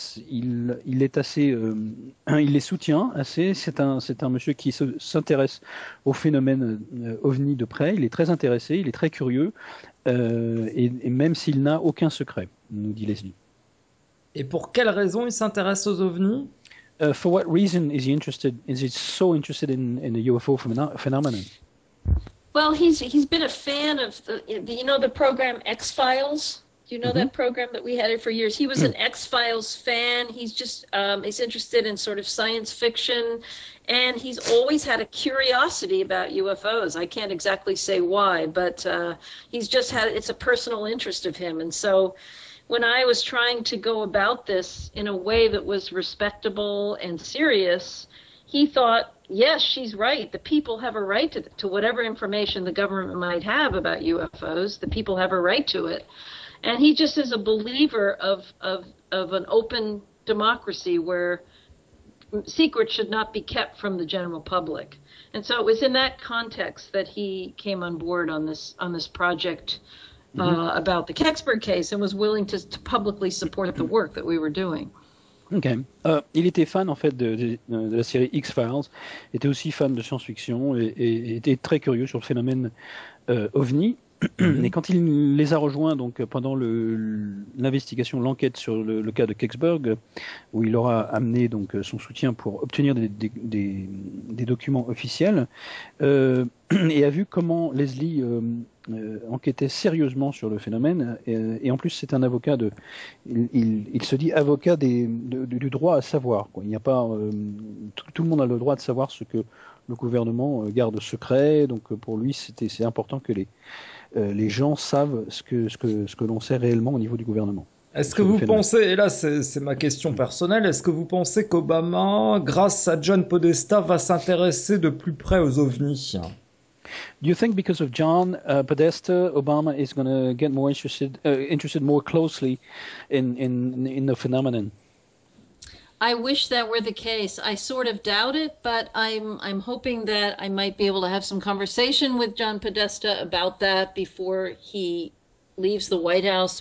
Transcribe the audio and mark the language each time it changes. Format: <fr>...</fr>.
<fr>Il est assez il les soutient assez. C'est un monsieur qui s'intéresse au phénomène OVNI de près. Il est très intéressé, il est très curieux, et même s'il n'a aucun secret, nous dit Leslie. Et pour quelle raison il s'intéresse aux ovnis?</fr> <en>For what reason is he interested? Is he so interested in the UFO phenomenon? Well, he's been a fan of the program X-Files. Do you know that program that we had it for years? He was an X-Files fan. He's just he's interested in sort of science fiction, and he's always had a curiosity about UFOs. I can't exactly say why, but he's just had it's a personal interest of him, and so. When I was trying to go about this in a way that was respectable and serious, he thought, yes, she's right. The people have a right to whatever information the government might have about UFOs. The people have a right to it. And he just is a believer of an open democracy where secrets should not be kept from the general public. And so it was in that context that he came on board on this project. About the Kecksburg case and was willing to publicly support the work that we were doing. Okay.</en> <fr>Il était fan, en fait, de la série X-Files, il était aussi fan de science-fiction et était très curieux sur le phénomène OVNI. Et quand il les a rejoints donc, pendant l'investigation, l'enquête sur le cas de Kecksburg, où il aura amené donc, son soutien pour obtenir des documents officiels, et a vu comment Leslie enquêtait sérieusement sur le phénomène, et en plus c'est un avocat, il se dit avocat du droit à savoir, quoi. Il n'y a pas, tout le monde a le droit de savoir ce que le gouvernement garde secret, donc pour lui c'est important que les gens savent ce que l'on sait réellement au niveau du gouvernement. Est-ce que vous pensez, et là c'est ma question personnelle, est-ce que vous pensez qu'Obama, grâce à John Podesta, va s'intéresser de plus près aux ovnis?</fr> <en>Do you think because of John Podesta, Obama is going to get more interested more closely in the phenomenon? I wish that were the case. I sort of doubt it, but I'm hoping that I might be able to have some conversation with John Podesta about that before he leaves the White House.</en>